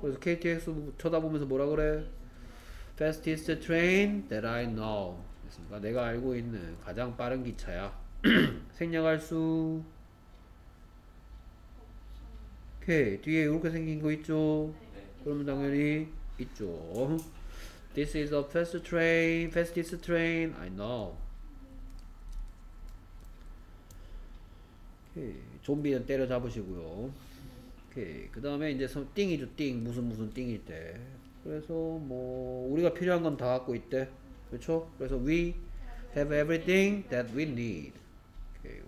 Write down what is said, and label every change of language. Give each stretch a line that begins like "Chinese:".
Korean: 그래서 KTX 쳐다보면서 뭐라 그래?
English: Fastest train that I know.
Korean: 됐습니까? 내가 알고 있는 가장 빠른 기차야. 생략할 수 오케이. 뒤에 이렇게 생긴 거 있죠? 네. 그러면 당연히 있죠.
English: This is the fast train, fastest train I know.
Korean: 오케이. 좀비는 때려잡으시고요. 오케이. 그 다음에 이제 띵이죠. 띵. 무슨 띵일 때. 그래서 뭐 우리가 필요한 건 다 갖고 있대. 그렇죠? 그래서
English: we have everything that we need.
Korean: 오케이.